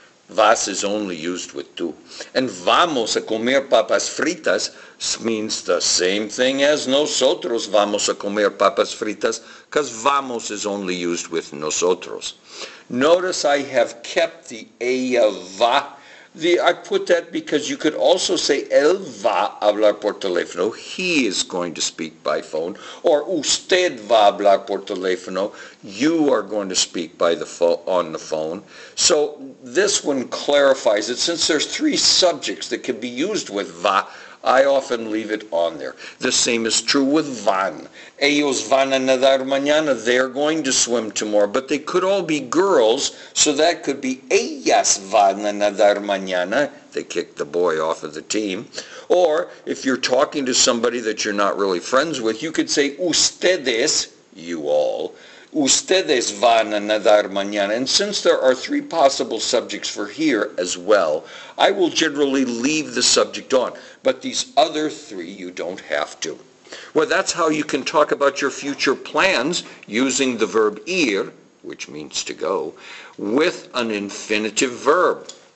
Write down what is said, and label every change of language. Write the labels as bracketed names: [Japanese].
[English] Vas is only used with tú. And vamos a comer papas fritas means the same thing as nosotros vamos a comer papas fritas, because vamos is only used with nosotros. Notice I have kept the ella va. I put that because you could also say él va a hablar por teléfono. He is going to speak by phone. Or usted va a hablar por teléfono. You are going to speak by the on the phone. So this one clarifies it. Since there's three subjects that can be used with va, I often leave it on there. The same is true with van. [Spanish] Ellos van a nadar mañana. [English] They're going to swim tomorrow. But they could all be girls, so that could be ellas van a nadar mañana. They kicked the boy off of the team. Or if you're talking to somebody that you're not really friends with, you could say ustedes, you all. [Spanish] Ustedes van a nadar mañana. [English] And since there are three possible subjects for here as well, I will generally leave the subject on. But these other three, you don't have to. Well, that's how you can talk about your future plans using the verb ir, which means to go, with an infinitive verb.